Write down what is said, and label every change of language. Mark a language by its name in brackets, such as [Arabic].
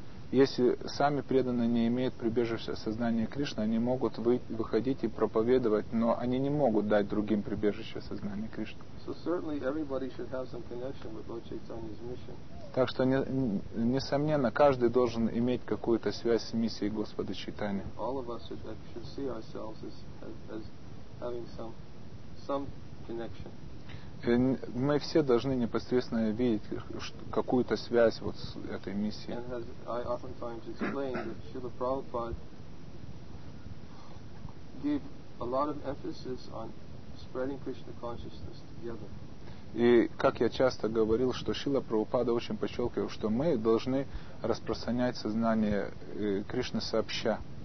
[Russian] Если сами преданные не имеют прибежища сознания Кришны, они могут выходить и проповедовать, но они не могут дать другим прибежище сознания Кришны. [English] So certainly everybody should have some connection with Lord Chaitanya's mission. [Russian] Так что, несомненно, каждый должен иметь какую-то связь с миссией Господа Чайтаньи. [English] All of us should see ourselves as having some connection. [Russian] Мы все должны непосредственно видеть какую-то связь вот с этой миссией. [English] And as I oftentimes explain, that Srila Prabhupada gave a lot of emphasis on spreading Krishna consciousness together. [Russian] И как я часто говорил, что Шрила Прабхупада очень подчеркивал, что мы должны распространять сознание Кришны сообща.